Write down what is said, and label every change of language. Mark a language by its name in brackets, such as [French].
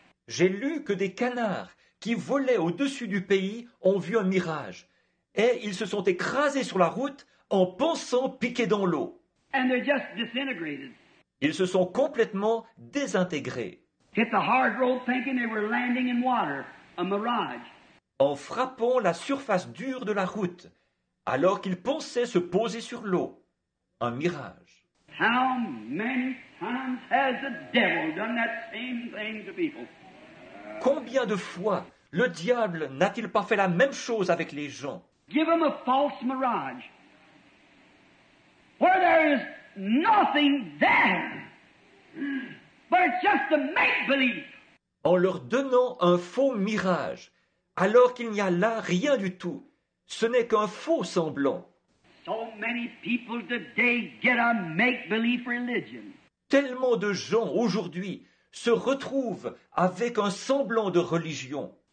[French] J'ai lu que des canards qui volaient au-dessus du pays, ont vu un mirage. Et ils se sont écrasés sur la route en pensant piquer dans l'eau. [English] And they're just disintegrated. [French] Ils se sont complètement désintégrés. [English] Hit the hard road thinking they were landing in water, a mirage. [French] En frappant la surface dure de la route, alors qu'ils pensaient se poser sur l'eau, un mirage. [English] How many times has the devil done that same thing to people? [French] Combien de fois le diable n'a-t-il pas fait la même chose avec les gens? [English] Give them a false mirage. Where there is nothing there, but it's just a make-believe. [French] En leur donnant un faux mirage, alors qu'il n'y a là rien du tout, ce n'est qu'un faux semblant. [English] So many people today get a make-believe religion. [French] Tellement de gens aujourd'hui se retrouve avec un semblant de religion.